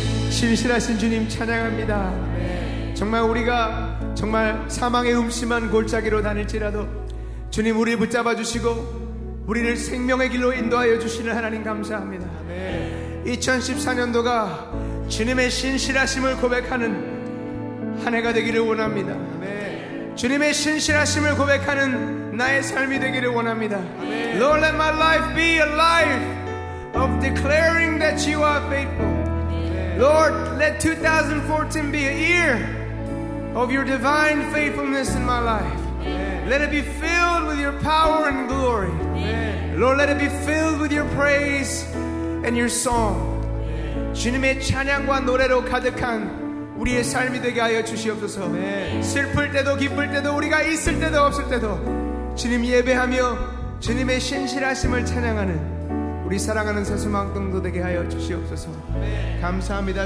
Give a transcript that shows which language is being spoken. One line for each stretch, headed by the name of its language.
Korean: 신실하신 주님 찬양합니다. 정말 우리가 정말 사망의 음침한 골짜기로 다닐지라도 주님 우리를 붙잡아 주시고 우리를 생명의 길로 인도하여 주시는 하나님 감사합니다. 2014년도가 주님의 신실하심을 고백하는 한 해가 되기를 원합니다. 주님의 신실하심을 고백하는 나의 삶이 되기를 원합니다.
English: Lord, let my life be a life of declaring that you are faithful. Lord, let 2014 be a year of your divine faithfulness in my life. Amen. Let it be filled with your power and glory. Amen. Lord, let it be filled with your praise and your song. Amen.
Korean: 주님의 찬양과 노래로 가득한 우리의 삶이 되게 하여 주시옵소서.
English: Amen.
Korean: 슬플 때도 기쁠 때도 우리가 있을 때도 없을 때도 주님 예배하며 주님의 신실하심을 찬양하는 우리 사랑하는 세수망등도 되게 하여 주시옵소서. 감사합니다.